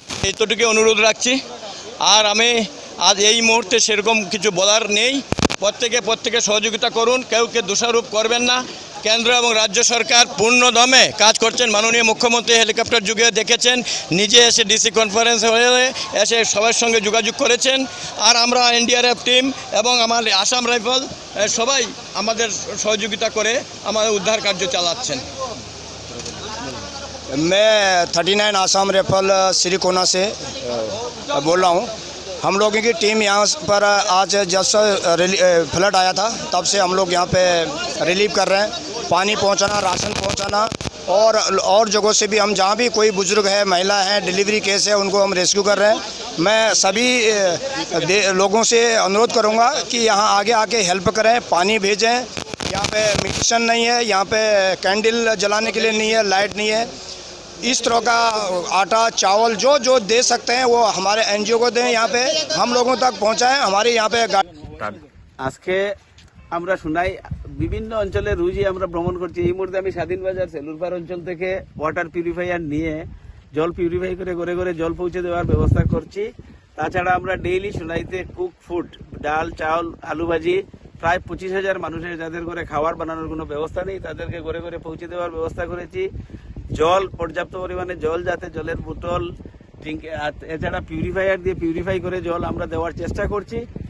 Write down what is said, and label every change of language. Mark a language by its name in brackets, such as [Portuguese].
[Bangla] এতটুকু অনুরোধ রাখছি আর আমি আজ এই মুহূর্তে সেরকম কিছু বলার নেই প্রত্যেকে প্রত্যেকে সহযোগিতা করুন কেউকে দোষারোপ করবেন না কেন্দ্র এবং রাজ্য সরকার পূর্ণ দমে কাজ করছেন মাননীয় মুখ্যমন্ত্রী হেলিকপ্টার যুগে দেখেছেন নিজে এসে ডিসি কনফারেন্স হয়ে এসে সবার সঙ্গে যোগাযোগ করেছেন আর আমরা এনডিআরএফ টিম এবং আমার আসাম রাইফেল সবাই আমাদের সহযোগিতা করে আমাদের উদ্ধার কার্য চালাচ্ছেন [Hindi] মে 39 আসাম রাইফেল শ্রীকোনা সে বল রা হ हम लोगों की टीम यहाँ पर आज जैसे फ्लड आया था तब से हम लोग यहाँ पे रिलीफ कर रहे हैं पानी पहुँचाना राशन पहुँचाना और जगहों से भी हम जहाँ भी कोई बुज़ुर्ग है महिला है डिलीवरी केस है उनको हम रेस्क्यू कर रहे हैं मैं सभी लोगों से अनुरोध करूँगा कि यहाँ आगे आके हेल्प करें पानी भेजें यहाँ पे मेडिसिन नहीं है यहाँ पे कैंडल जलाने के लिए नहीं है लाइट नहीं है इस तरह का आटा चावल जो जो दे सकते हैं वो हमारे एनजीओ को दें यहाँ पे हम लोगों तक पहुँचाए हमारे यहाँ पे आज के [Bangla] আমরা শুনাই বিভিন্ন অঞ্চলে রুজি আমরা ভ্রমণ করছি এই মুহূর্তে আমি স্বাধীন বাজার সেলুরপাড় অঞ্চল থেকে ওয়াটার পিউরিফায়ার নিয়ে জল পিউরিফাই করে ঘরে ঘরে জল পৌঁছে দেওয়ার ব্যবস্থা করছি তাছাড়া আমরা ডেইলি শুনাইতে কুক ফুড ডাল চাল আলু ভাজি প্রায় 25,000 মানুষের যাদের ঘরে খাবার বানানোর কোনো ব্যবস্থা নেই তাদেরকে ঘরে ঘরে পৌঁছে দেওয়ার ব্যবস্থা করেছি জল পর্যাপ্ত পরিমাণে জল যাতে জলের বোতল ড্রিঙ্ক এছাড়া পিউরিফায়ার দিয়ে পিউরিফাই করে জল আমরা দেওয়ার চেষ্টা করছি